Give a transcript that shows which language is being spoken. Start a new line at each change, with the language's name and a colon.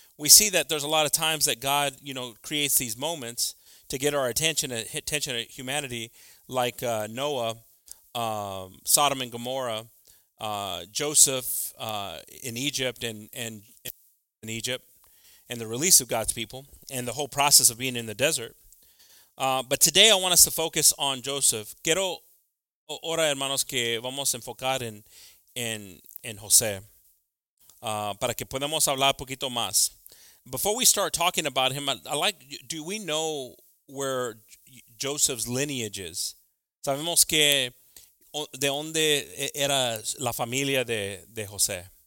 English: We see that there's a lot of times that God, you know, creates these moments to get our attention of humanity, like Noah, Sodom and Gomorrah, Joseph in Egypt and the release of God's people and the whole process of being in the desert. But today I want us to focus on Joseph.
Spanish: Quiero ahora, hermanos, que vamos a enfocar en José, para que podamos hablar un poquito más.
English: Before we start talking about him, do we know where Joseph's lineage is?
Spanish: Sabemos que de dónde era la familia de José.